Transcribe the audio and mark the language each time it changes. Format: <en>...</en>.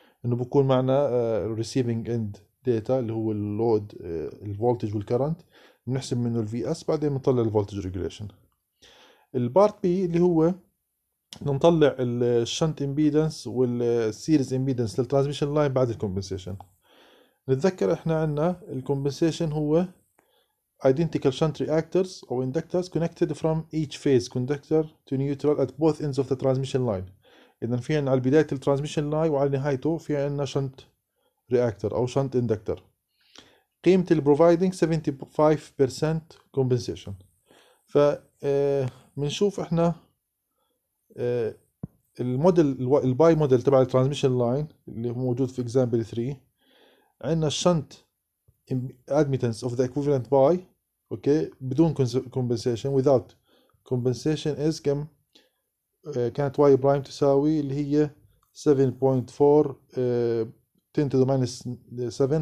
<ar>انه بكون معنا</ar> <en>receiving end data</en> <ar>اللي هو اللود الفولتج والكرنت، بنحسب منه الفي اس بعدين بنطلع الفولتج ريجوليشن. البارت بي اللي هو نطلع الشنت امبيدنس والسيريز امبيدنس للترانسميشن لاين بعد الكومبنسيشن. نتذكر احنا عندنا الكومبنسيشن هو</ar> <en>identical shunt reactors or inductors connected from each phase conductor to neutral at both ends of the transmission line.</en> <ar>اذا في عندنا على بدايه الترانسميشن لاين وعلى نهايته في عندنا شنت رياكتور او شنت اندكتور. قيمه البروفايدنج 75% كومبنسيشن. ف بنشوف احنا الموديل الباي موديل تبع الترانسميشن لاين اللي موجود في اكزامبل 3 عندنا الشنت</ar> <en>admittance of the equivalent by okay</en> <ar>بدون compensation</ar> <en>without compensation is</en> <ar>كم كانت y prime تساوي اللي هي 7.4 10 to the minus 7.</ar>